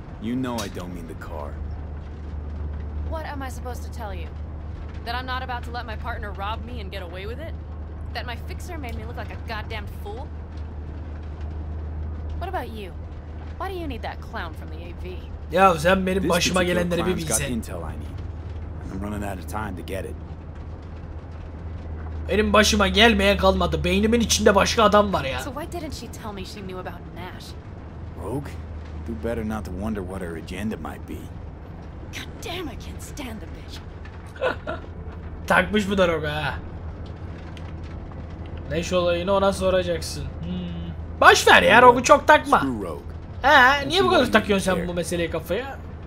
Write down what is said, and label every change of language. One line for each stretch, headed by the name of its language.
English: You know I don't mean the car. What am I supposed to tell you? That I'm not about to let my partner rob me and get away with it? That my fixer made me look like a goddamned fool? What about you? Why do you need that clown from the AV?
Turkish: Ya sen benim başıma gelenleri bir bilsen.
English: Got intel I need. I'm running out of time to get it.
Turkish: Benim başıma gelmeye kalmadı. Beynimin içinde başka adam var ya.
English: So why didn't she tell me she knew about Nash? Rogue? Do better not to wonder what her agenda might be. God damn, I can't stand the bitch.
Turkish: Takmış bu da Rogue ha. Nash olayını ona soracaksın. Baş ver ya, Rogue'u çok takma. Niye bu kadar takıyorsun sen bu meseleyi kafaya?